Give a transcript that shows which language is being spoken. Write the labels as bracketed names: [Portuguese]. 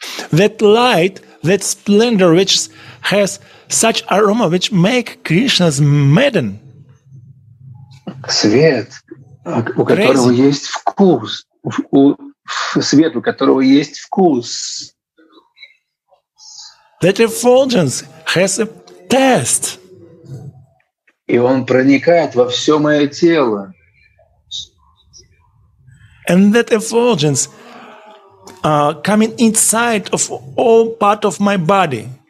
[English] That light, that splendor, which has such aroma, which make Krishna's madden. [Russian] Свет, у которого есть вкус. Свет, у которого есть вкус. [English] That effulgence has a taste. [Russian] И он проникает во все мое тело. [English] And that effulgence coming inside of all part of my body.